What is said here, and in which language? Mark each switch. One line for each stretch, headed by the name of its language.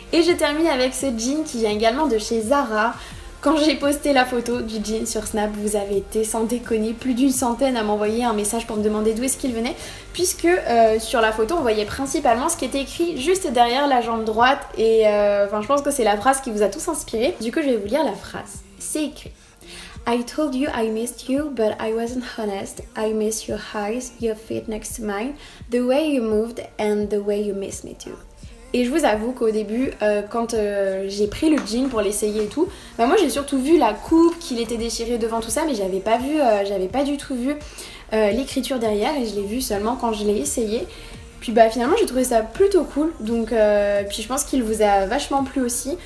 French: Et je termine avec ce jean qui vient également de chez Zara. Quand j'ai posté la photo du jean sur Snap, vous avez été sans déconner plus d'une centaine à m'envoyer un message pour me demander d'où est-ce qu'il venait. Puisque sur la photo, on voyait principalement ce qui était écrit juste derrière la jambe droite. Et je pense que c'est la phrase qui vous a tous inspiré. Du coup, je vais vous lire la phrase. C'est écrit.
English: I told you I missed you, but I wasn't honest. I miss your eyes, your feet next to mine, the way you moved and the way you missed me too.
French: Et je vous avoue qu'au début, j'ai pris le jean pour l'essayer et tout, moi j'ai surtout vu la coupe, qu'il était déchiré devant tout ça, mais j'avais pas du tout vu l'écriture derrière et je l'ai vu seulement quand je l'ai essayé. Puis finalement j'ai trouvé ça plutôt cool, donc puis je pense qu'il vous a vachement plu aussi.